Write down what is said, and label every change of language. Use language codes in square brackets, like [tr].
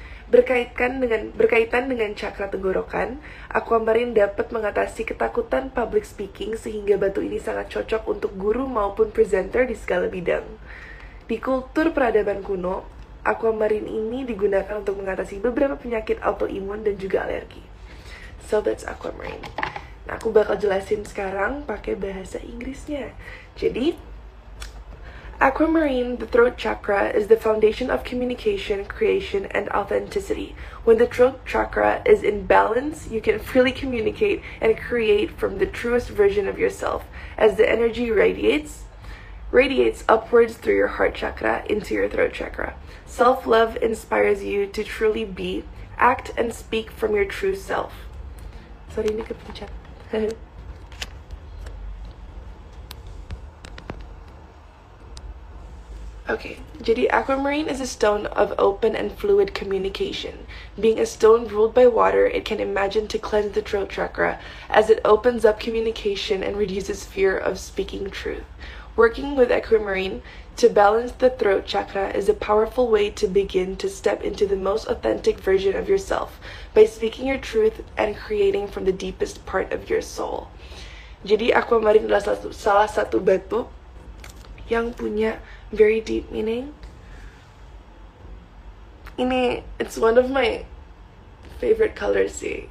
[id] Berkaitan dengan cakra tenggorokan, aquamarine dapat mengatasi ketakutan public speaking sehingga batu ini sangat cocok untuk guru maupun presenter di segala bidang. Di kultur peradaban kuno, aquamarine ini digunakan untuk mengatasi beberapa penyakit autoimun dan juga alergi. [en] So that's aquamarine. [id] Nah, aku bakal jelasin sekarang pakai bahasa Inggrisnya. Jadi, [en] aquamarine, the throat chakra, is the foundation of communication, creation, and authenticity. When the throat chakra is in balance, you can freely communicate and create from the truest version of yourself as the energy radiates upwards through your heart chakra into your throat chakra. Self-love inspires you to truly be, act, and speak from your true self. Sorry, [id] ini kepencet. [en] Okay, [id] jadi [en] aquamarine is a stone of open and fluid communication. Being a stone ruled by water, it can imagine to cleanse the throat chakra as it opens up communication and reduces fear of speaking truth. Working with aquamarine to balance the throat chakra is a powerful way to begin to step into the most authentic version of yourself by speaking your truth and creating from the deepest part of your soul. [id] Jadi aquamarine adalah salah satu batu yang punya [en] very deep meaning. [id] Ini, [en] it's one of my favorite colors [id] sih.